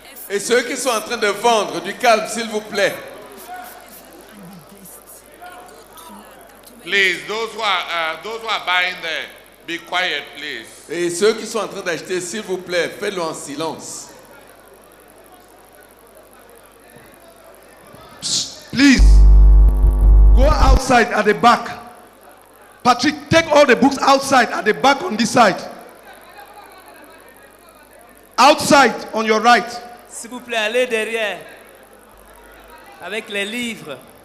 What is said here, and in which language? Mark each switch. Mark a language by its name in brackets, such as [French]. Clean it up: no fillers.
[French] Et ceux qui sont en train de vendre, du calme, s'il vous plaît. [English] Please, those who are buying there, be quiet, please. [French] Et ceux qui sont en train d'acheter, s'il vous plaît, faites-le en silence. [English] Please, go outside at the back. Patrick, take all the books outside at the back on this side. Outside on your right. [French] S'il vous plaît, allez derrière avec les livres.